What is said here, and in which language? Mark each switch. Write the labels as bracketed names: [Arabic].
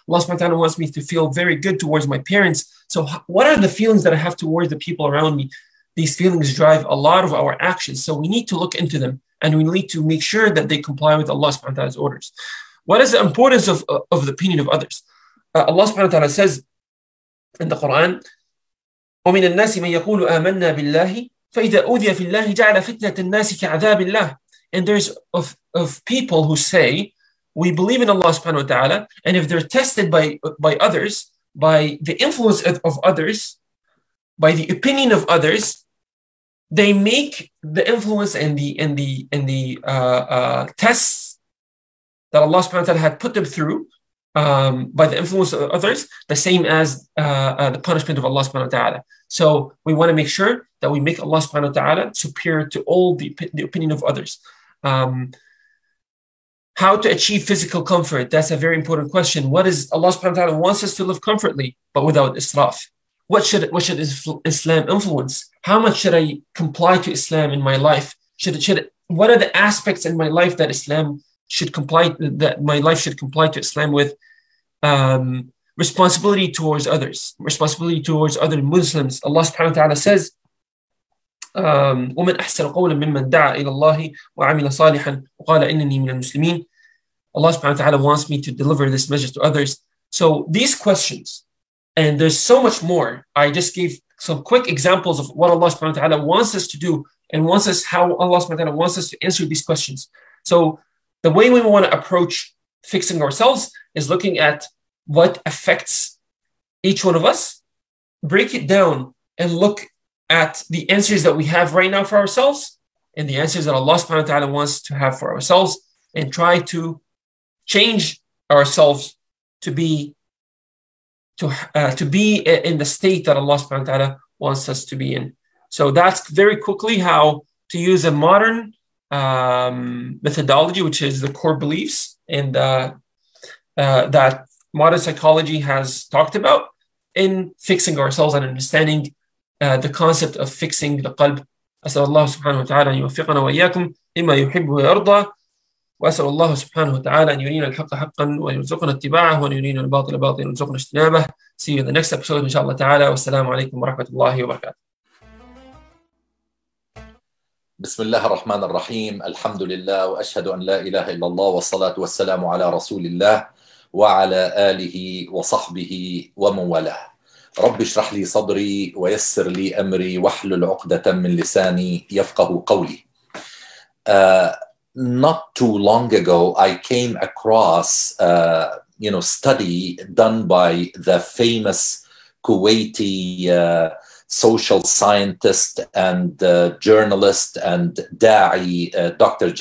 [English] Allah subhanahu wa ta'ala wants me to feel very good towards my parents. So what are the feelings that I have towards the people around me? These feelings drive a lot of our actions. So we need to look into them and we need to make sure that they comply with Allah subhanahu wa ta'ala's orders. What is the importance of the opinion of others? Allah subhanahu wa ta'ala says in the Quran, [Arabic] ومن الناس من يقول آمنا بالله فإذا أوذي في الله جعل فتنة الناس كعذاب الله. [English] And there's of people who say we believe in Allah subhanahu wa ta'ala, and if they're tested by others, by the influence of others, by the opinion of others, they make the influence and the tests that Allah subhanahu wa ta'ala had put them through by the influence of others, the same as the punishment of Allah subhanahu wa ta'ala. So we want to make sure that we make Allah subhanahu wa ta'ala superior to all the opinion of others. How to achieve physical comfort? That's a very important question. What is Allah subhanahu wa ta'ala wants us to live comfortably, but without israf? What should Islam influence? How much should I comply to Islam in my life? What are the aspects in my life that Islam should comply, that my life should comply to Islam with? Responsibility towards others, responsibility towards other Muslims. Allah subhanahu wa ta'ala says, [Arabic] وَمَنْ أَحْسَنَ قَوْلًا مِمَّنْ دَعَى إِلَى اللَّهِ وَعَمِلَ صَالِحًا وَقَالَ إِنَّنِي مِنَ الْمُسْلِمِينَ. [English] Allah subhanahu wa ta'ala wants me to deliver this message to others. So these questions, and there's so much more. I just gave some quick examples of what Allah subhanahu wa ta'ala wants us to do and wants us, how Allah subhanahu wa ta'ala wants us to answer these questions. So the way we want to approach fixing ourselves is looking at what affects each one of us, break it down, and look at the answers that we have right now for ourselves and the answers that Allah subhanahu wa ta'ala wants to have for ourselves, and try to change ourselves to be in the state that Allah subhanahu wa ta'ala wants us to be in. So that's very quickly how to use a modern methodology, which is the core beliefs and that modern psychology has talked about in fixing ourselves and understanding the concept of fixing the qalb. [Arabic] أسأل الله سبحانه وتعالى أن يوفقنا وإياكم لما يحب ويرضى وأسأل الله سبحانه وتعالى أن يرينا الحق حقا ويرزقنا اتباعه وأن يرينا الباطل باطلا ويرزقنا اجتنابه. [English] See you in the next episode [Arabic] إن شاء الله تعالى, والسلام عليكم ورحمة الله وبركاته. بسم الله الرحمن الرحيم, الحمد لله وأشهد أن لا إله إلا الله والصلاة والسلام على رسول الله وعلى آله وصحبه ومن والاه. رب اشرح لي صدري ويسر لي أمري واحلل عقدة من لساني يفقه قولي. [English] Not too long ago, I came across study done by the famous Kuwaiti social scientist and journalist and da'i, Dr.